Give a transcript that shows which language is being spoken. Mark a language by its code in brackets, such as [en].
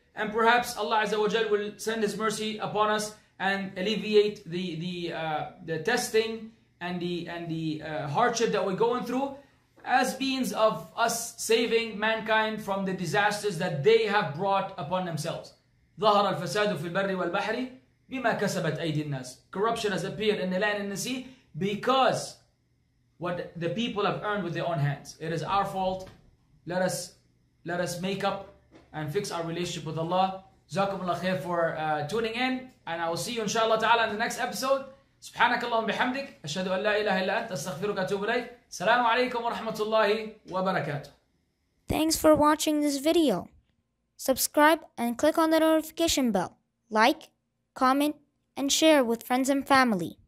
[en] And perhaps Allah Azza wa Jal will send His mercy upon us and alleviate the testing and the hardship that we're going through, as means of us saving mankind from the disasters that they have brought upon themselves. [ar] ظهر الفساد في البر والبحر بما كسبت أيدي الناس. [en] Corruption has appeared in the land and the sea because what the people have earned with their own hands. It is our fault. Let us make up and fix our relationship with Allah. Jazakumullah khair for tuning in. And I will see you inshallah ta'ala in the next episode. [ar] سبحانك اللهم بحمدك أشهد أن لا إله إلا أنت أستغفرك أتوب إليك السلام عليكم ورحمة الله وبركاته. [en] Thanks for watching this video. Subscribe and click on the notification bell. Like, comment and share with friends and family.